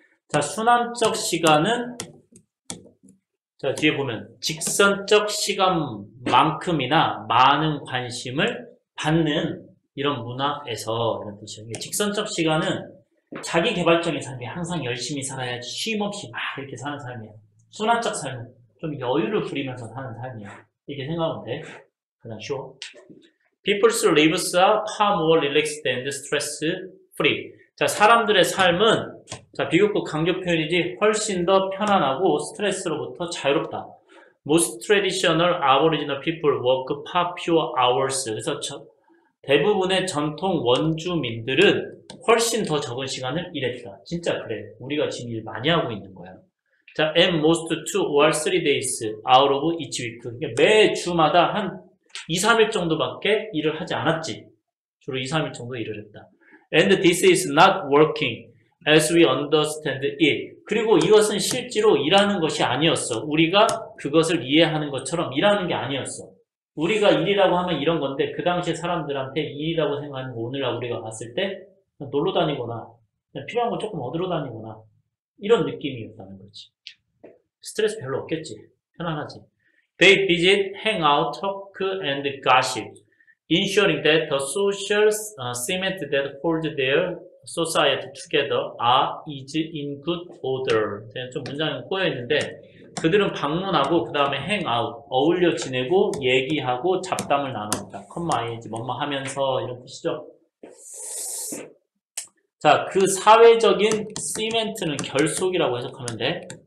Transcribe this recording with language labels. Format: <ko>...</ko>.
<ko>자, 순환적 시간은, 자, 뒤에 보면, 직선적 시간만큼이나 많은 관심을 받는 이런 문화에서 이런 뜻이에요. 직선적 시간은 자기 개발적인 삶이 항상 열심히 살아야지 쉼 없이 막 이렇게 사는 삶이야. 순환적 삶은 좀 여유를 부리면서 사는 삶이야. 이렇게 생각하면 돼. 그냥 쉬워.</ko> <en>People's lives are far more relaxed and stress-free.</en> <ko>자, 사람들의 삶은, 자, 비교급 강조 표현이지, 훨씬 더 편안하고 스트레스로부터 자유롭다.</ko> <en>Most traditional Aboriginal people work far fewer hours.</en> <ko>그래서 대부분의 전통 원주민들은 훨씬 더 적은 시간을 일했다. 진짜 그래. 우리가 지금 일 많이 하고 있는 거야.</ko> <en>자, at most 2 or 3 days out of each week.</en> <ko>그러니까 매 주마다 한 2, 3일 정도밖에 일을 하지 않았지. 주로 2, 3일 정도 일을 했다.</ko> <en>And this is not working as we understand it.</en> <ko>그리고 이것은 실제로 일하는 것이 아니었어. 우리가 그것을 이해하는 것처럼 일하는 게 아니었어. 우리가 일이라고 하면 이런 건데, 그 당시에 사람들한테 일이라고 생각하는 거 오늘날 우리가 봤을 때, 그냥 놀러 다니거나, 그냥 필요한 거 조금 얻으러 다니거나, 이런 느낌이었다는 거지. 스트레스 별로 없겠지. 편안하지.</ko> <en>They visit, hang out, talk, and gossip, ensuring that the social cement that holds their society together is in good order.</en> <ko>좀 문장이 꼬여있는데, 그들은 방문하고, 그 다음에</ko> <en>hang out,</en> <ko>어울려 지내고, 얘기하고, 잡담을 나눕니다. 컴마이지, 뭐뭐 하면서, 이런 뜻이죠. 자, 그 사회적인 시멘트는 결속이라고 해석하면 돼.</ko>